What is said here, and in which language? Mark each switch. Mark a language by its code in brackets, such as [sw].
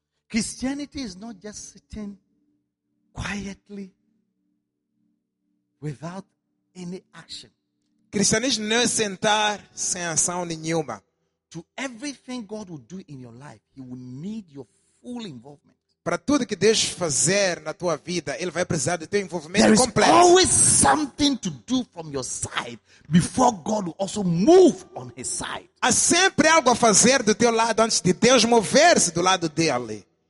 [en] Christianity is not just sitting quietly without any action. [pt] Cristianismo não é sentar sem ação nenhuma. [en] To everything God will do in your life, He will need your full involvement. [pt] Para tudo que Deus fazer na tua vida, ele vai precisar do teu envolvimento completo. [en] There is always something to do from your side before God will also move on his side. [pt] Há sempre algo a fazer do teu lado antes de Deus mover-se do lado dele.